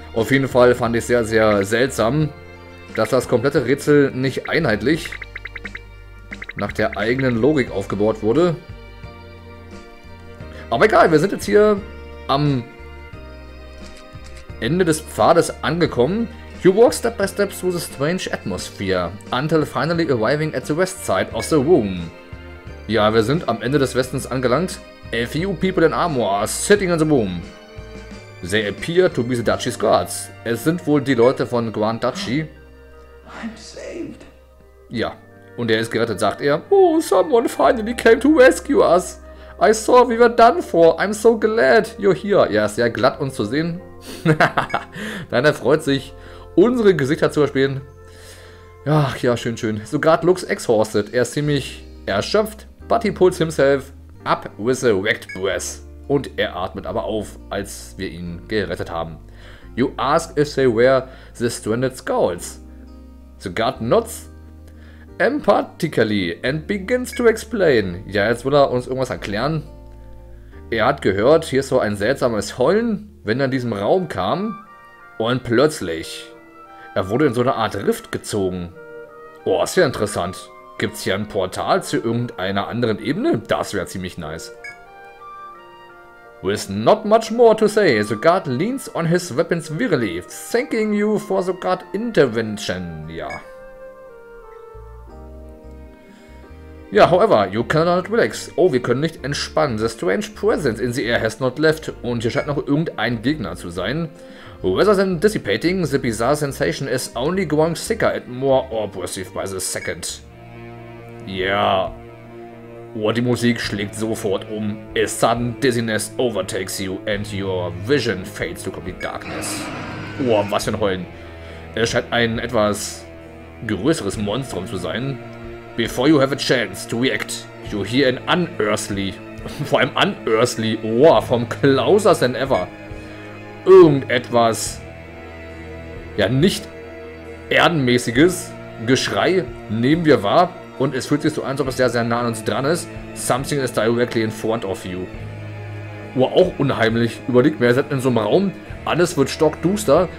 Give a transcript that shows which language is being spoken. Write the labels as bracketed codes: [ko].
[de] Auf jeden Fall fand ich sehr, sehr seltsam, dass das komplette Rätsel nicht einheitlich nach der eigenen Logik aufgebaut wurde. Aber egal, wir sind jetzt hier am Ende des Pfades angekommen. [en] You walk step by step through the strange atmosphere, until finally arriving at the west side of the room. [de] Ja, wir sind am Ende des Westens angelangt. [en] A few people in armor are sitting in the room. They appear to be the Duchy's guards. [de] Es sind wohl die Leute von Grand Duchy. [en] I'm saved. [de] Ja, und er ist gerettet, sagt er. Oh, someone finally came to rescue us. [en] I saw we were done for. I'm so glad you're here. Ja, ist sehr glatt, uns zu sehen. [de] Nein, er freut sich, unsere Gesichter zu erspähen. Ach ja, schön, schön. [en] Sogar looks exhausted. Er ist ziemlich erschöpft, but he pulls himself up with a wrecked breath. [de] Und er atmet aber auf, als wir ihn gerettet haben. [en] You ask if they were the stranded skulls. The guard nods empathically and begins to explain. [de] Ja, jetzt will er uns irgendwas erklären. Er hat gehört, hier ist so ein seltsames Heulen, wenn er in diesem Raum kam. Und plötzlich, er wurde in so eine Art Rift gezogen. Oh, ist ja interessant. Gibt's hier ein Portal zu irgendeiner anderen Ebene? Das wäre ziemlich nice. [en] With not much more to say, the guard leans on his weapons wearily, thanking you for the guard intervention. Ja. Ja, however, you cannot relax. Oh, wir können nicht entspannen. The strange presence in the air has not left. [de] Und hier scheint noch irgendein Gegner zu sein. [en] Rather than dissipating, the bizarre sensation is only growing sicker and more oppressive by the second. Ja. Oh, die Musik schlägt sofort um. A sudden dizziness overtakes you and your vision fades to complete darkness. [de] Oh, was für ein Heulen. Es scheint ein etwas größeres Monstrum zu sein. [en] Before you have a chance to react, you hear an unearthly, vor allem unearthly, oh, from closer than ever. [de] Irgendetwas, ja, nicht erdenmäßiges Geschrei nehmen wir wahr. Und es fühlt sich so an, als ob es sehr, sehr nah an uns dran ist. Something is directly in front of you. Oh, auch unheimlich. Überlegt mir, ihr seid in so einem Raum. Alles wird stockduster.